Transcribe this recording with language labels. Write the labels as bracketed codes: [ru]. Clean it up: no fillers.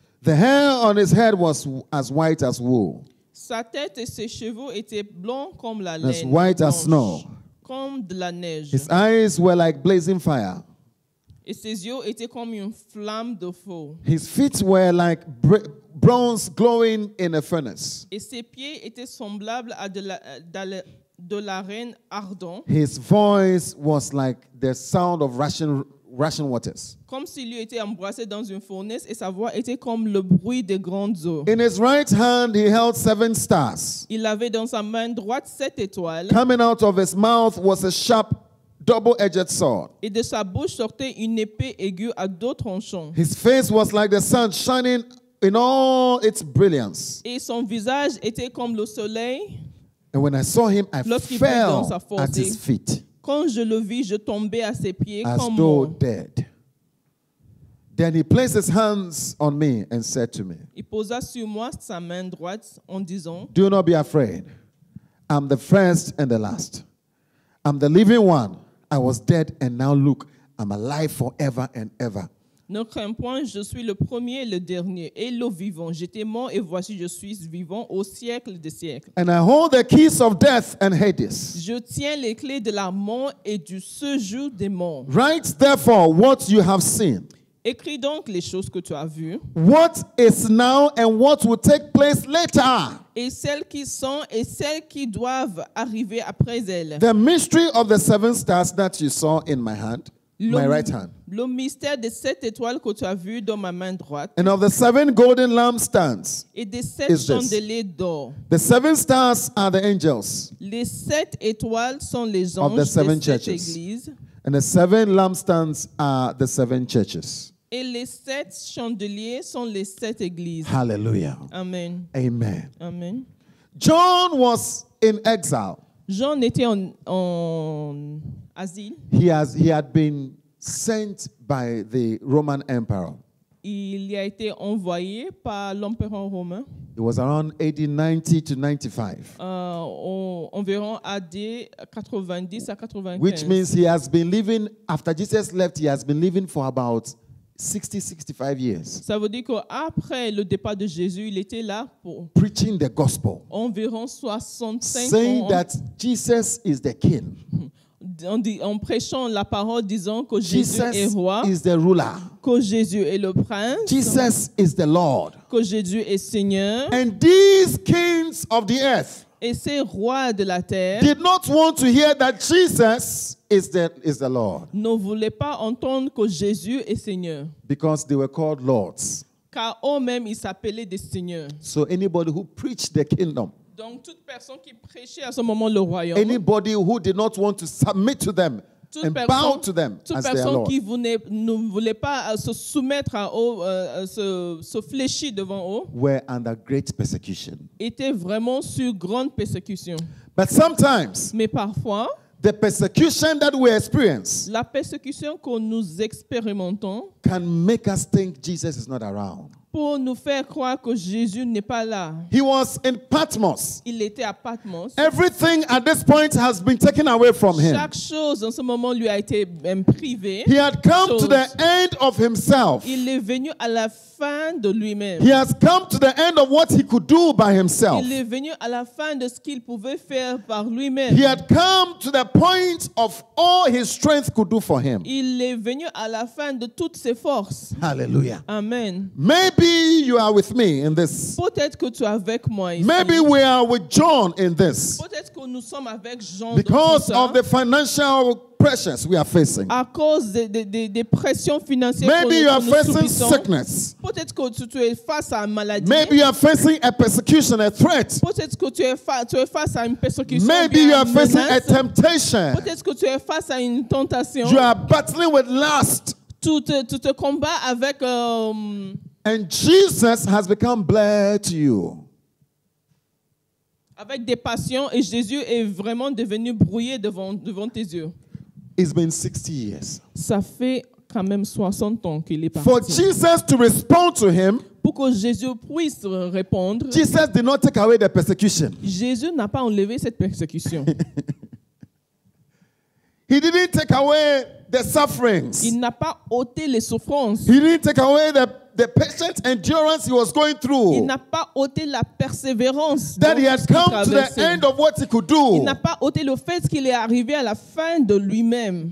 [en] The hair on his head was as white as wool. [fr] Sa tête et ses cheveux étaient blonds comme la laine. [en] As white as snow. [fr] Comme de la neige. [en] His eyes were like blazing fire. [fr] Et ses yeux étaient comme une flamme de feu. [en] His feet were like bronze glowing in a furnace. [fr] Et ses pieds étaient semblables à de la reine ardent. [en] His voice was like the sound of rushing waters. [fr] Comme s'il eût été embrassé dans une fournaise et sa voix était comme le bruit des grandes eaux. [en] In his right hand he held seven stars. [fr] Il avait dans sa main droite sept étoiles. [en] Coming out of his mouth was a sharp double-edged sword. [fr] Et de sa bouche sortait une épée aiguë à deux tranchants. [en] His face was like the sun shining in all its brilliance. [fr] Et son visage était comme le soleil. [en] And when I saw him, I [fr] lorsqu'il [en] fell [fr] dans sa force, [en] at his feet. [fr] Quand je le vis, je tombais à ses pieds [en] as [fr] comme [en] though [fr] mort. [en] Dead. Then he placed his hands on me and said to me, [fr] il posa sur moi sa main droite en disant, [en] do not be afraid. I'm the first and the last. I'm the living one. I was dead and now look, I'm alive forever and ever. [fr] Ne crains point, je suis le premier et le dernier et le vivant. J'étais mort et voici, je suis vivant au siècle des siècles. [en] And I hold the keys of death and Hades. [fr] Je tiens les clés de la mort et du séjour des morts. [en] Write therefore what you have seen. [fr] Écris donc les choses que tu as vues. [en] What is now and what will take place later. [fr] Et celles qui sont et celles qui doivent arriver après elles. [en] The mystery of the seven stars that you saw in my hand. My right hand. [fr] Le mystère des sept étoiles que tu as vu dans ma main droite. [en] And of the seven golden lampstands. [fr] Et des sept chandeliers d'or. [en] The seven stars are the angels. [fr] Les sept étoiles sont les anges des sept churches. Églises. [en] And the seven lampstands are the seven churches. [fr] Et les sept chandeliers sont les sept églises. Hallelujah. Amen. Amen. Amen. [en] John was in exile. [fr] Jean était en asile. [en] He had been sent by the Roman Emperor. [fr] Il y a été envoyé par l'empereur romain. [en] It was around AD 90 to 95. [fr] Environ AD 90 à 95. [en] Which means he has been living, after Jesus left, he has been living for about 60, 65 years. [fr] Ça veut dire qu'après le départ de Jésus, il était là pour [en] preaching the gospel. [fr] Environ 65 ans. [en] Saying that Jesus is the king. [fr] En prêchant la parole, disant que Jésus [en] Jesus [fr] est roi, [en] is the ruler. [fr] Que Jésus est le prince, [en] Jesus is the Lord. [fr] Que Jésus est Seigneur. [en] And these kings of the earth [fr] et ces rois de la terre [en] did not want to hear that Jesus is the Lord. [fr] Ne voulaient pas entendre que Jésus est Seigneur. [en] Because they were called lords. [fr] Car eux-mêmes, ils s'appelaient des seigneurs. [en] So anybody who preached the kingdom. [fr] Donc toute personne qui prêchait à ce moment le royaume. [en] Anybody who did not want to submit to them and bow to them as their lord. [fr] Toute personne qui ne voulait pas se soumettre à eux, se fléchir devant eux. [en] Were under great persecution. [fr] Était vraiment sous grande persécution. [en] But sometimes. [fr] Mais parfois. [en] The persecution that we experience. [fr] La persécution que nous expérimentons. [en] Can make us think Jesus is not around. [fr] Pour nous faire croire que Jésus n'est pas là. [en] He was in Patmos. [fr] Il était à Patmos. [en] Everything at this point has been taken away from him. [fr] Chaque chose en ce moment lui a été privé. [en] He had come to the end of himself. [fr] Il est venu à la fin de lui-même. [en] He has come to the end of what he could do by himself. [fr] Il est venu à la fin de ce qu'il pouvait faire par lui-même. [en] He had come to the point of all his strength could do for him. [fr] Il est venu à la fin de toutes ses forces. Hallelujah. Amen. [en] Maybe you are with me in this. [fr] Peut-être que tu es avec moi ici. [en] Maybe we are with John in this. [fr] Peut-être que nous sommes avec Jean. [en] Because of the financial pressures we are facing. [fr] À cause des pressions financières. [en] Maybe you are facing sickness. [fr] Peut-être que tu es face à une maladie. [en] Maybe you are facing a persecution, a threat. [fr] Peut-être que tu es face à une persécution. [en] Maybe you are facing a temptation. [fr] Peut-être que tu es face à une tentation. [en] You are battling with lust. [fr] Tu te combats avec. [en] And Jesus has become blessed to you. [fr] Avec des passions et Jésus est vraiment devenu brouillé devant tes yeux. [en] It's been 60 years. [fr] Ça fait quand même 60 ans qu'il est parti. [en] For Jesus to respond to him. [fr] Pour que Jésus puisse répondre. [en] Jesus did not take away the persecution. [fr] Jésus n'a pas enlevé cette persécution. [en] He didn't take away the sufferings. [fr] Il n'a pas ôté les souffrances. [en] He didn't take away the patient endurance he was going through. [fr] Il n'a pas ôté la persévérance. [en] That he had come to the end of what he could do. [fr] Il n'a pas ôté le fait qu'il est arrivé à la fin de lui-même.